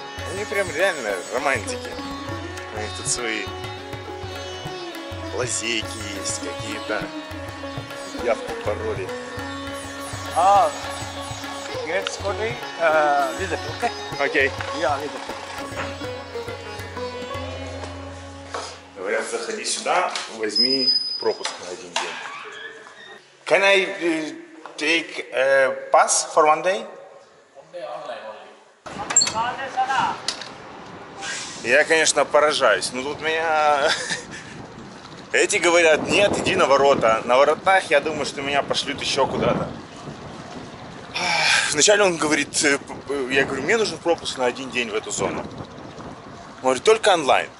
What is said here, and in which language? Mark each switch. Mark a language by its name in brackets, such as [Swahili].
[Russian] Они прям реально романтики. У них тут свои лазейки есть, какие-то явки пароли. [English] Gets for the visit, okay? Okay. Yeah, visit. [Russian] Говорят, заходи сюда, возьми пропуск на один день. [English] Can I take a pass for one day? One day online only. [Russian] Я, конечно, поражаюсь, но тут меня... Эти говорят, нет, иди на ворота. На воротах, я думаю, что меня пошлют еще куда-то. Вначале он говорит, я говорю, мне нужен пропуск на один день в эту зону. Он говорит, только онлайн.